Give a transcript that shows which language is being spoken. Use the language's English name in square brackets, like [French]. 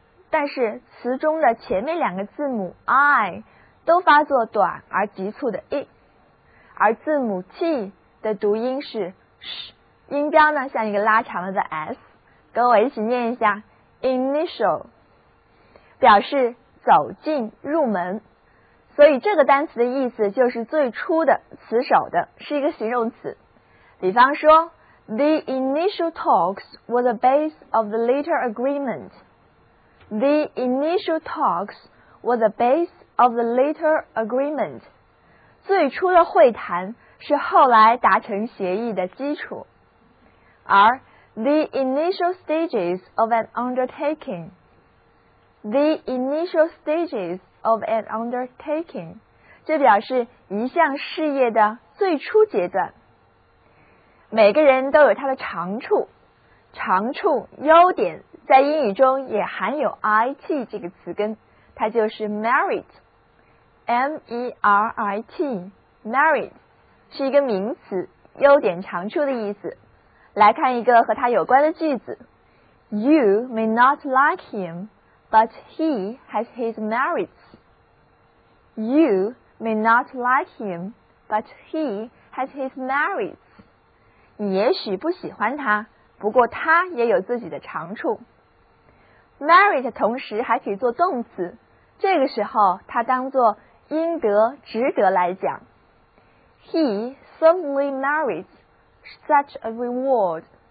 [Chinese] 但是词中的前面两个字母 I 都发作短而急促的 I， 而字母 T 的读音是 sh， 音标呢像一个拉长了的 S。跟我一起念一下 initial， 表示走进入门，所以这个单词的意思就是最初的词首的，是一个形容词。比方说 [English] The initial talks were the base of the later agreement. The initial talks were the base of the later agreement. [Chinese] 最初的会谈是后来达成协议的基础。 [English] 而 The initial stages of an undertaking. The initial stages of an undertaking. [Chinese] 这表示一项事业的最初阶段。每个人都有他的长处，长处优点在英语中也含有 IT 这个词根，它就是 merit， M-E-R-I-T， merit 是一个名词，优点长处的意思。来看一个和他有关的句子， [English] You may not like him but he has his merits. You may not like him but he has his merits. [Chinese] 你也许不喜欢他，不过他也有自己的长处。 Merit 同时还可以做动词，这个时候他当作应得、值得来讲。 [English] He certainly merits such a reward.